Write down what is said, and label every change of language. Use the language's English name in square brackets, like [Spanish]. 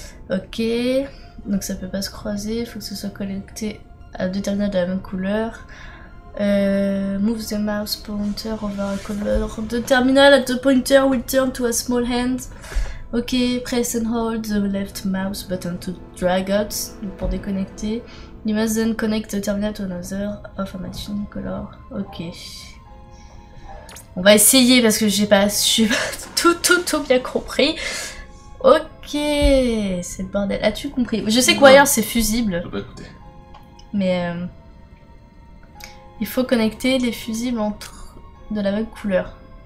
[French] Ok, donc ça peut pas se croiser, faut que ce soit connecté à deux terminals de la même couleur. [English] Move the mouse pointer over a color. The terminal at the pointer will turn to a small hand. Ok, press and hold the left mouse button to drag out, [French] pour déconnecter. [English] You must then connect the terminal to another of a machine color. Ok. [French] On va essayer parce que j'ai pas tout bien compris. Ok, c'est le bordel. As-tu compris? Je sais que wire c'est fusible. Je peux pas écouter. Mais il faut connecter les fusibles entre de la même couleur.